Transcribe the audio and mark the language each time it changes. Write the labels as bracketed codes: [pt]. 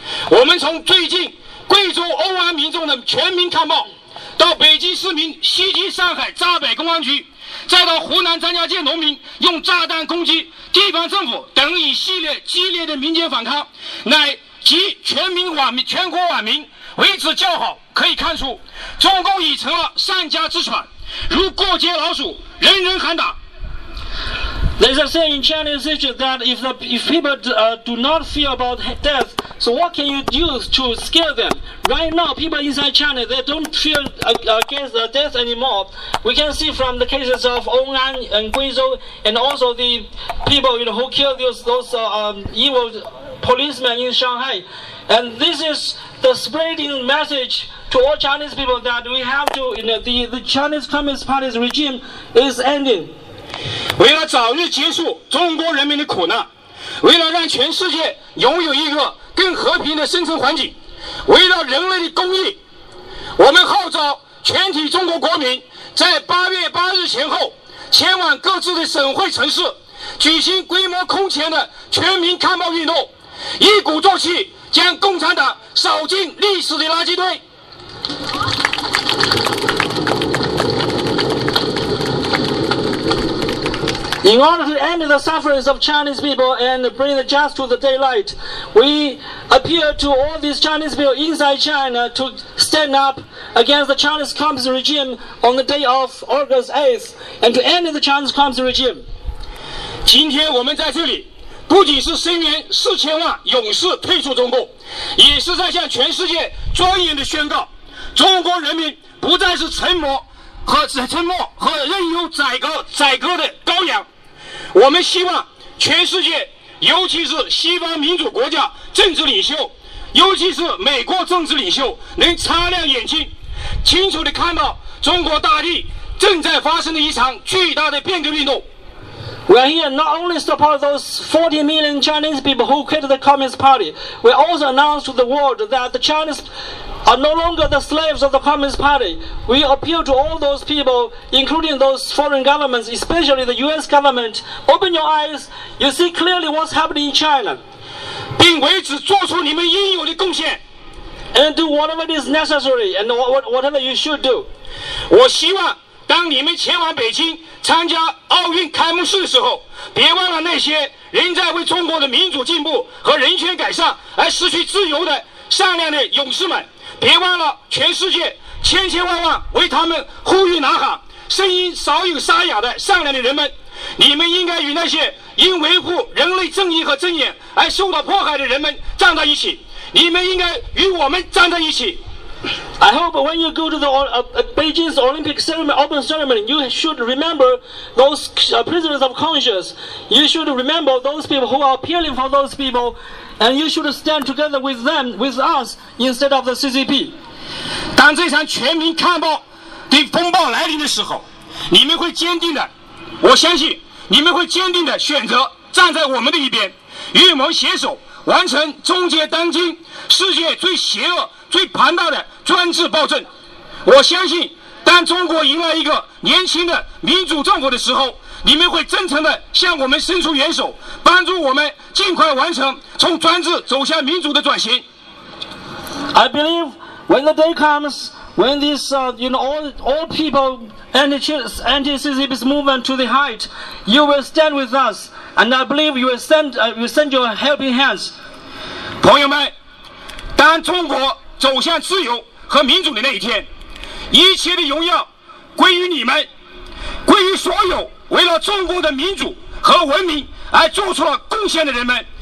[zh] 我们从最近贵州欧安民众的全民抗暴，到北京市民袭击上海闸北公安局，再到湖南张家界农民用炸弹攻击地方政府等一系列激烈的民间反抗，乃及全国网民为此叫好，可以看出中共已成了丧家之犬，如过街老鼠，人人喊打。 [en] There's a saying in Chinese literature that if people do not fear about death, so what can you use to scare them? Right now, people inside China, they don't fear against death anymore. We can see from the cases of Ong An and Guizhou, and also the people, you know, who killed those evil policemen in Shanghai. And this is the spreading message to all Chinese people that we have to, you know, the Chinese Communist Party's regime is ending. [zh] 为了早日结束中国人民的苦难，为了让全世界拥有一个更和平的生存环境，为了人类的公益，我们号召全体中国国民在八月八日前后前往各自的省会城市举行规模空前的全民抗暴运动，一鼓作气将共产党扫进历史的垃圾堆。 [en] In order to end the sufferings of Chinese people and bring the just to the daylight, we appeal to all these Chinese people inside China to stand up against the Chinese Communist regime on the day of August 8th and to end the Chinese Communist regime. [zh] 今天我们在这里不仅是声援四千万勇士退出中共，也是在向全世界庄严的宣告，中国人民不再是沉默和任由宰割的羔羊。我们希望全世界，尤其是西方民主国家政治领袖，尤其是美国政治领袖，能擦亮眼睛，清楚地看到中国大地正在发生的一场巨大的变革运动。 [en] We are here not only to support those 40 million Chinese people who quit the Communist Party, we also announce to the world that the Chinese are no longer the slaves of the Communist Party. We appeal to all those people, including those foreign governments, especially the US government, open your eyes, you see clearly what's happening in China. [zh] 并为此做出你们应有的贡献。 [en] And do whatever is necessary and whatever you should do. [zh] 我希望当你们前往北京参加奥运开幕式的时候，别忘了那些仍在为中国的民主进步和人权改善而失去自由的善良的勇士们，别忘了全世界千千万万为他们呼吁呐喊声音少有沙哑的善良的人们。你们应该与那些因维护人类正义和尊严而受到迫害的人们站在一起，你们应该与我们站在一起。 [en] I hope when you go to the Beijing's Olympic ceremony, open ceremony, you should remember those prisoners of conscience. You should remember those people who are appealing for those people, and you should stand together with them, with us, instead of the CCP. [zh] 当这场全民抗暴的风暴来临的时候，你们会坚定的，我相信你们会坚定的选择站在我们的一边，与我们携手完成终结当今世界最邪恶。最庞大的专制暴政，我相信当中国迎来一个年轻的民主政府的时候，你们会真诚地向我们伸出援手，帮助我们尽快完成从专制走向民主的转型。 [en] I believe when the day comes when this all people anti-CCP movement to the height, you will stand with us and I believe you will send your helping hands. [zh] 朋友们，当中国走向自由和民主的那一天，一切的荣耀归于你们，归于所有为了中国的民主和文明而做出了贡献的人们。